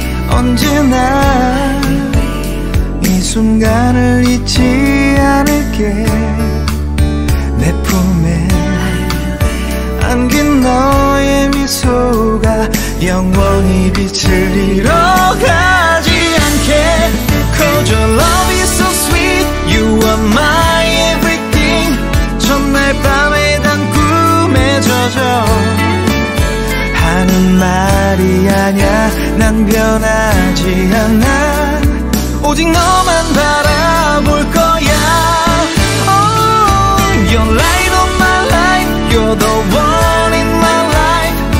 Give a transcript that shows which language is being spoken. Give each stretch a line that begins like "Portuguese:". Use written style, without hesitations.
Korean: 언제나 이 순간을 잊지 않을게. 내 품에 안긴 너의 미소가 영원히 빛을 잃어가지 않게.
English: Cause your love is so sweet. You are my everything.
Korean: 첫날 밤에 단 꿈에 젖어 하는 말이 아냐. 난 변하지 않아. 오직 너만 바라볼 거야.
English: Oh, your light of my life. You're the one in my life.